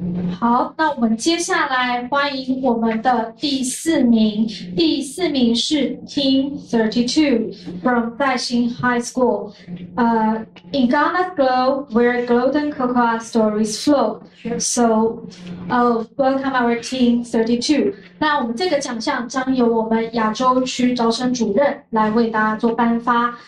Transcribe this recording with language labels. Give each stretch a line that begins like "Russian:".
Chinese: 好，那我们接下来欢迎我们的第四名。第四名是
English: Team 32 from 在新 High School。 In Ghana's glow, where golden cocoa stories flow. So, welcome our Team 32.
Chinese: 那我们这个奖项将由我们亚洲区招生主任来为大家做颁发。